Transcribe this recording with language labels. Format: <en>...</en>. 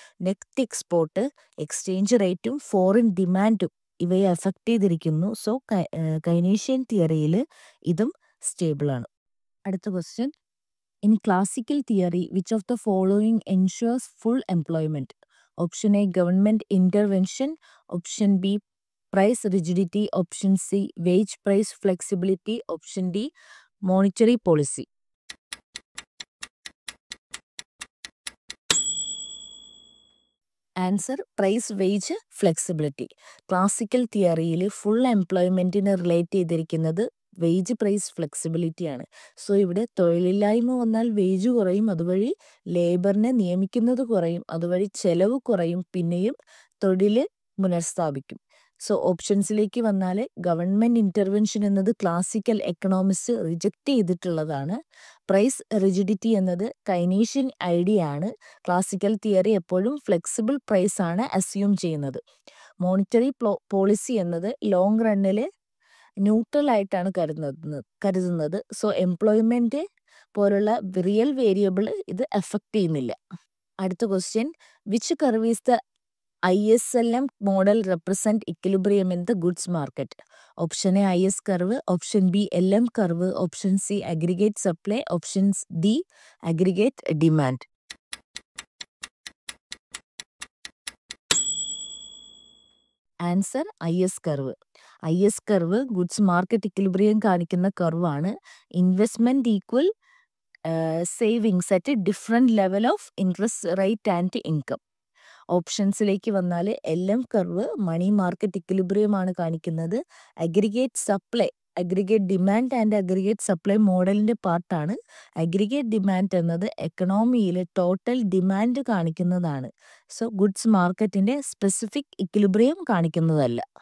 <ml>Net export, exchange റേറ്റും foreign ഡിമാൻഡും ഇവയെ അഫക്റ്റ് ചെയ്തിരിക്കുന്നു. സോ കൈനീഷ്യൻ തിയറിയിൽ ഇതും സ്റ്റേബിൾ ആണ്. അടുത്ത</ml> <en>Question, in classical theory which of the following ensures full employment? Option A, government intervention. Option B, price rigidity. Option C, wage price flexibility. Option D, monetary policy. Answer, price wage flexibility.</en> <ml>Classical theory ile full employment ine relate cheyidirikkunnathu wage price flexibility aanu. So ivide thoyilillayma vannal wage korayum, aduvali labor ne niyamikkunnathu korayum, aduvali chelavu korayum, pinneyum thodile munarsthapikkum. So ഓപ്ഷൻസിലേക്ക് വന്നാൽ government intervention എന്നത് classical economics reject ചെയ്തിട്ടുള്ളതാണ്. Price rigidity എന്നത് കൈനീഷ്യൻ idea ആണ്. Classical theory എപ്പോഴും flexible price ആണ് assume ചെയ്യുന്നത്. Monetary policy എന്നത് long റണ്ണിൽ neutral ആയിട്ടാണ് കരുതുന്നത്. സോ എംപ്ലോയ്മെൻറ്റ് പോലുള്ള റിയൽ വേരിയബിൾ ഇത് എഫക്റ്റ് ചെയ്യുന്നില്ല. അടുത്ത</ml> <en>Question, which curves the ISLM model represent equilibrium in the goods market? Option A, IS curve. Option B, LM curve. Option C, aggregate supply. Option D, aggregate demand. Answer, IS curve. IS curve, goods market equilibrium</en> <ml>kaanikkunna curve aanu.</ml> <en>Investment equal savings at a different level of interest rate and income.</en> <ml>ഓപ്ഷൻസിലേക്ക് വന്നാൽ LM curve money market equilibrium ആണ് കാണിക്കുന്നത്. Aggregate supply, aggregate demand and aggregate supply മോഡലിൻ്റെ പാർട്ടാണ്. Aggregate demand എന്നത് എക്കണോമിയിലെ total demand കാണിക്കുന്നതാണ്. So goods മാർക്കറ്റിൻ്റെ specific equilibrium കാണിക്കുന്നതല്ല.</ml>